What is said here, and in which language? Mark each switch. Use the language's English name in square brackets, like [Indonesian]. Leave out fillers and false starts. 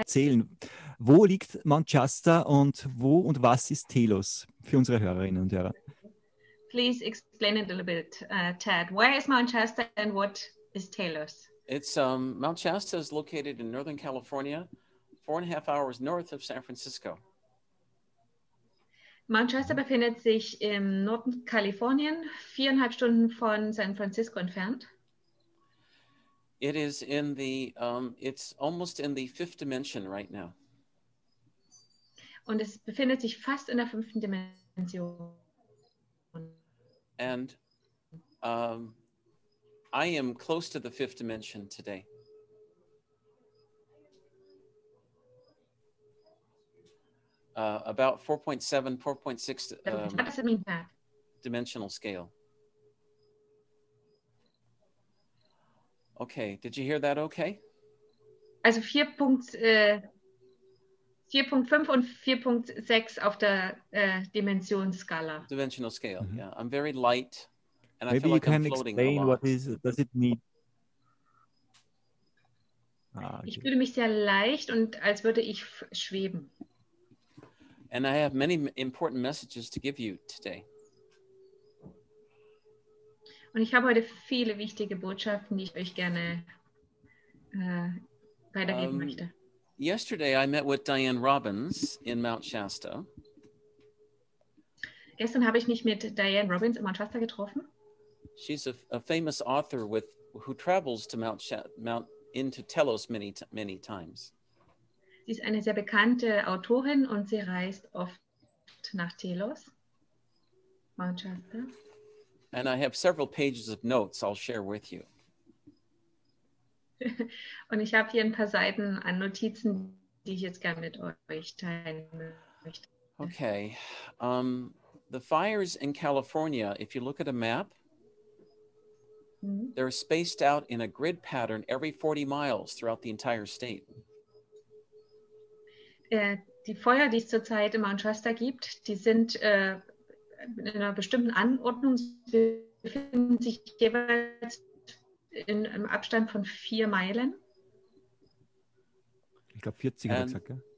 [German] Erzählen, wo liegt Manchester und wo und was ist Telos für unsere Hörerinnen und Hörer? [English] Please explain it a little bit, Ted. Where is Manchester and what is Telos? It's Manchester is located in Northern California, 4.5 hours north of San Francisco. [German] Manchester befindet sich im Norden Kalifornien, 4.5 Stunden von San Francisco entfernt. [English] It is in the, it's almost in the fifth dimension right now. [German] Und es befindet sich fast in der fünften Dimension. [English] And I am close to the fifth dimension today. About 4.7, 4.6 what does it mean, Pat? Dimensional scale. Okay, did you hear that okay? [German] Also 4.5 und 4.6 auf der Dimensionsskala. [English] Dimensional scale, mm-hmm. Yeah. I'm very light and maybe I feel like I'm floating. Maybe you can explain what is, does it mean? [German] Ich fühle mich sehr leicht und als würde ich schweben. [English] And I have many important messages to give you today. [German] Und ich habe heute viele wichtige Botschaften, die ich euch gerne weitergeben möchte. [English] Yesterday I met with Diane Robbins in Mount Shasta. [German] Gestern habe ich mich mit Diane Robbins in Mount Shasta getroffen. [English] She's a famous author with who travels to into Telos many times. [German] Sie ist eine sehr bekannte Autorin und sie reist oft nach Telos, Mount Shasta. [English] And I have several pages of notes I'll share with you. [German] Und ich habe hier ein paar Seiten an Notizen, die ich jetzt gerne mit euch teilen möchte. [English] Okay. The fires in California, if you look at a map, they're spaced out in a grid pattern every 40 miles throughout the entire state. [German] Die Feuer, die es zurzeit in Mount Shasta gibt, die sind in einer bestimmten Anordnung, sie befinden sich jeweils in einem Abstand von 4 Meilen. Ich glaube 40, habe ich gesagt, gell?